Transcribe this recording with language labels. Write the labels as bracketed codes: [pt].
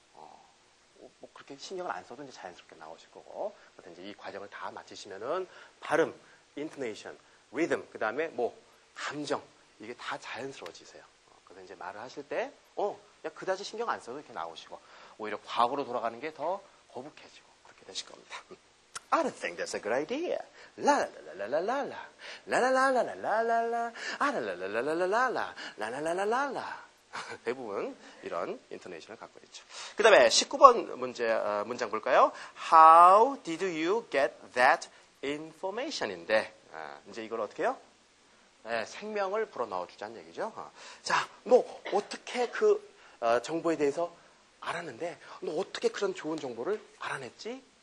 [ko] 뭐 그렇게 신경을 안 써도 이제 자연스럽게 나오실 거고 그래서 이제 이 과정을 다 마치시면은 발음, 인토네이션, 리듬, 그 다음에 뭐 감정 이게 다 자연스러워지세요. 그래서 이제 말을 하실 때 야, 그다지 신경 안 써도 이렇게 나오시고 오히려 과거로 돌아가는 게 더 거북해지고 그렇게 되실 겁니다. [en] I don't think that's a good idea. La la la la la la la la la la la la la la la la la la la la la la la la la la la la la la la. [ko] 대부분 이런 인터네이션을 갖고 있죠. 그 다음에 19번 문제, 문장 볼까요? [en] How did you get that information인데 [ko] 이제 이걸 어떻게 해요? 네, 생명을 불어넣어주자는 얘기죠. 자, 너 어떻게 그 정보에 대해서 알았는데 너 어떻게 그런 좋은 정보를 알아냈지?